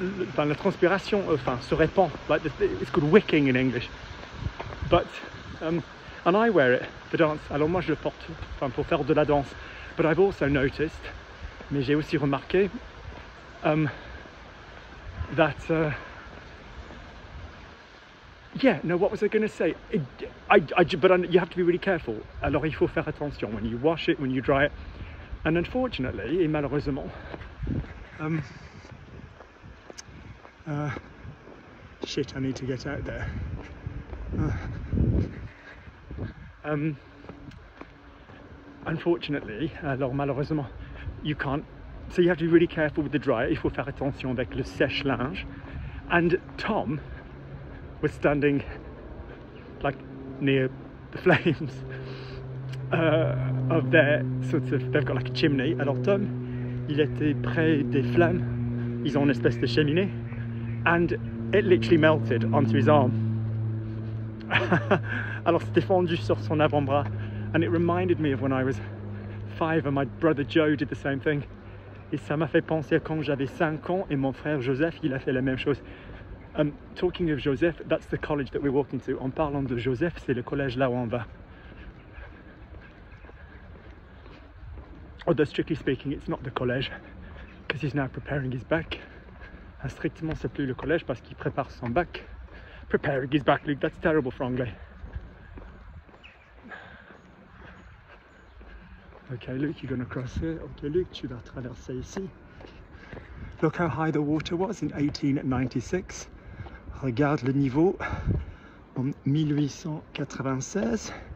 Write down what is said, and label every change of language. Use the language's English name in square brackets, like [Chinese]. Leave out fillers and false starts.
[French] Enfin, la transpiration, enfin, se répand. [English] Like it's called wicking in English. But, and I wear it for dance. [French] Alors moi, je le porte, enfin, pour faire de la danse. [English] But I've also noticed, [French] mais j'ai aussi remarqué, [English] you have to be really careful. [French] Alors il faut faire attention [English] when you wash it, when you dry it. And unfortunately, [French] et malheureusement, [English] shit, I need to get out there. Unfortunately, [French] alors malheureusement, [English] you can't. So you have to be really careful with the dryer. [French] Il faut faire attention avec le sèche-linge. [English] And Tom was standing like near the flames of their sort of, they've got like a chimney. [French] Alors Tom, il était près des flammes. Ils ont une espèce de cheminée. [English] And it literally melted onto his arm. [French] Alors c'était fendu sur son avant-bras. [English] And it reminded me of when I was 5 and my brother Joe did the same thing. [French] Et ça m'a fait penser à quand j'avais 5 ans et mon frère Joseph, il a fait la même chose. [English] Talking of Joseph, that's the college that we're walking to. [French] En parlant de Joseph, c'est le collège là où on va. [English] Although strictly speaking, it's not the college, because he's now preparing his bac. [French] Strictement, c'est plus le collège parce qu'il prépare son bac. [English] Preparing his bac, Luke, that's terrible for anglais. Okay, Luke, you're gonna cross here. [French] Okay, Luke, tu vas traverser ici. [English] Look how high the water was in 1896. [French] Regarde le niveau en 1896.